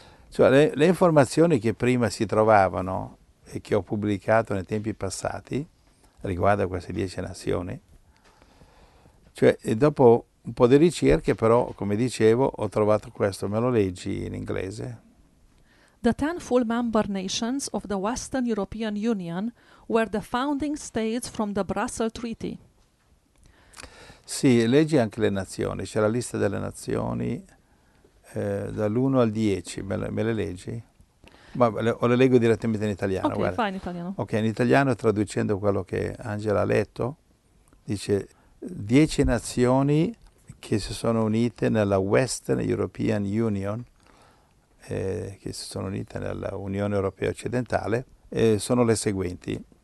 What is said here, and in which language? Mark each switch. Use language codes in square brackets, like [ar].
[it] Cioè le informazioni che prima si trovavano e che ho pubblicato nei tempi passati riguardo a queste 10 nazioni, cioè e dopo un po' di ricerche però, come dicevo, ho trovato questo, me lo leggi in inglese? [en] The 10 full member nations of the Western European Union were the founding states from the Brussels Treaty. [it] Sì, leggi anche le nazioni, c'è la lista delle nazioni... dall'1 al 10, me le leggi? Ma le leggo direttamente in italiano. Ok, guarda. Fai in italiano. Ok, in italiano, traducendo quello che Angela ha letto, dice 10 nazioni che si sono unite nella Western European Union, che si sono unite nella Unione Europea Occidentale, sono le seguenti.